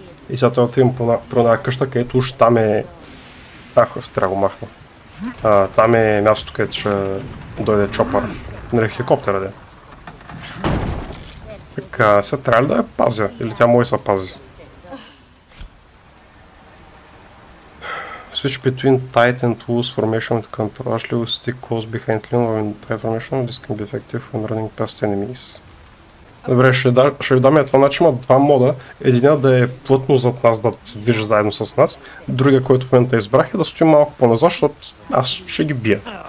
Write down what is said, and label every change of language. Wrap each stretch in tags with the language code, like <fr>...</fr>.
<bg>И сега това отивам по една къща, където уж там е... трябва го махна. Там е мястото, където ще дойде чопър. Нали хеликоптера де. Така, сега трябва ли да я пазя? Или тя може да се пази?</bg> <en>Switch between tight and loose formation with controller with stick close behind lean when tight formation this can be effective when running past enemies.</en> <bg>Добре, ще ви дам я това, значи има два мода. Единият да е плътно зад нас, да се движи заедно с нас. Другия, който в момента избрах е да стоим малко по-назад, защото аз ще ги бия.</bg>